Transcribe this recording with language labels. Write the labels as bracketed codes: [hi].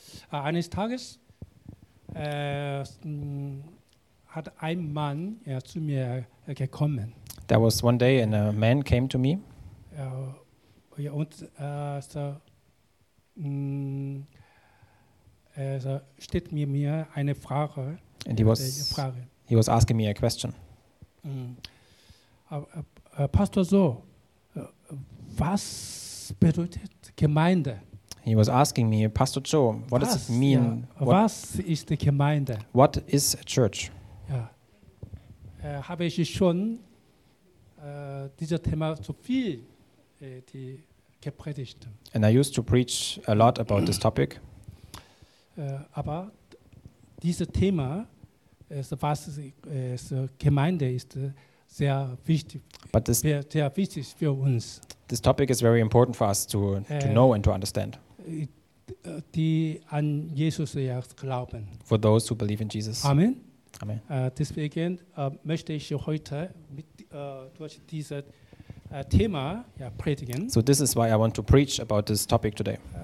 [de] Eines Tages hat ein Mann zu mir gekommen. [en] There was one day and a man came to me. He was asking me a question. [de] Pastor, so, was bedeutet Gemeinde? [en] He was asking me, Pastor Joe, what does it mean? [de] Ja, was ist die Gemeinde? [en] What is a church? [de] Ja. Habe ich schon dieses Thema zu viel gepredigt. [en] And I used to preach a lot about this topic. [de] Aber dieses Thema, was Gemeinde ist, sehr wichtig. [en] But this, [de] sehr wichtig für uns. [en] This topic is very important for us to know and to understand. [de] Die an Jesus glauben. [en] For those who believe in Jesus. Amen. Amen. [de] Deswegen möchte ich heute mit durch dieses Thema predigen. [en] So this is why I want to preach about this topic today.